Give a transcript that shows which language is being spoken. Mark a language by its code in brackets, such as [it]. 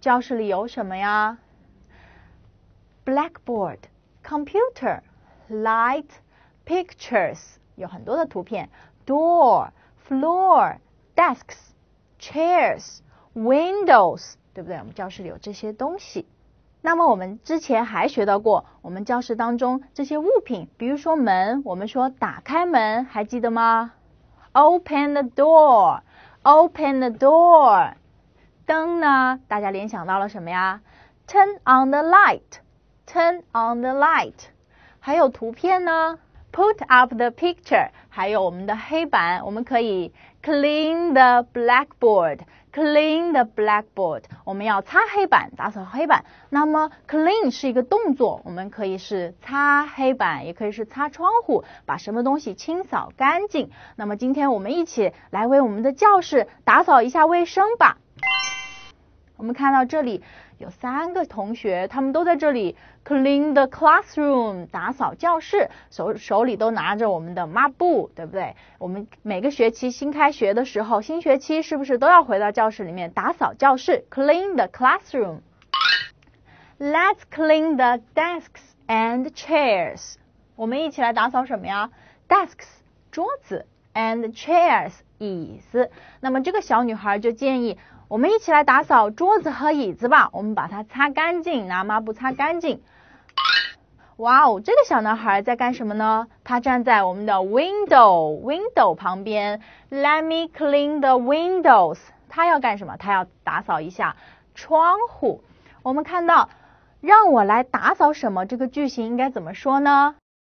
[zh] 教室里有什么呀 Blackboard, computer Light, pictures 有很多的图片 Door, floorDesks, chairs, windows, 对不对？我们教室里有这些东西。那么我们之前还学到过我们教室当中这些物品，比如说门，我们说打开门，还记得吗？ [en] Open the door, open the door. [zh] 灯呢？大家联想到了什么呀？ [en] Turn on the light, turn on the light. [zh] 还有图片呢？ [en] Put up the picture, [zh] 还有我们的黑板，我们可以 [en] clean the blackboard, clean the blackboard, [zh] 我们要擦黑板，打扫黑板。那么 clean 是一个动作，我们可以是擦黑板，也可以是擦窗户，把什么东西清扫干净。那么今天我们一起来为我们的教室打扫一下卫生吧。我们看到这里有三个同学，他们都在这里 [en] clean the classroom, [zh] 打扫教室，手里都拿着我们的抹布，对不对？我们每个学期新开学的时候，新学期是不是都要回到教室里面打扫教室 [en] clean the classroom? Let's clean the desks and chairs. [zh] 我们一起来打扫什么呀？ [en] Desks, 桌子 and chairs, 椅子。 [zh] 那么这个小女孩就建议我们一起来打扫桌子和椅子吧，我们把它擦干净，拿抹布擦干净。哇哦，这个小男孩在干什么呢？他站在我们的 window 旁边。 [en] Let me clean the windows. [zh] 他要干什么？他要打扫一下窗户。我们看到让我来打扫什么，这个句型应该怎么说呢？